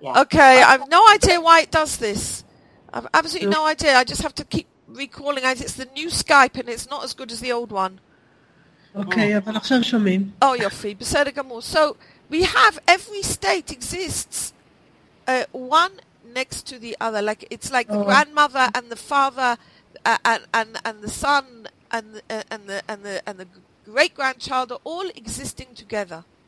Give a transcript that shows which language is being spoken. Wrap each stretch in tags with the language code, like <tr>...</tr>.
<en>Okay, I've no idea why it does this. I've absolutely no idea. I just have to keep recalling. It's the new Skype, and it's not as good as the old one.</en> <he>Okay, אבל עכשיו שומעים. Oh, יופי, בסדר גמור.</he> <en>So, we have, every state exists, one next to the other. Like, it's like the grandmother and the father and the son and the great-grandchild are all existing together.</en>